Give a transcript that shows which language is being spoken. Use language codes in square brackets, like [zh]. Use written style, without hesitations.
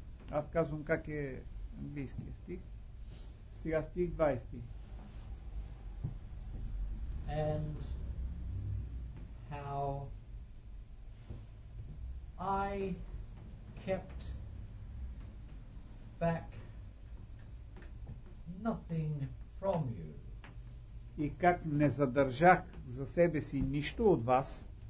[bg] Аз казвам как е английския стих. Сега стих 20. [en] And how I kept back nothing from you. [bg] И как не задържах за себе си нищо от вас.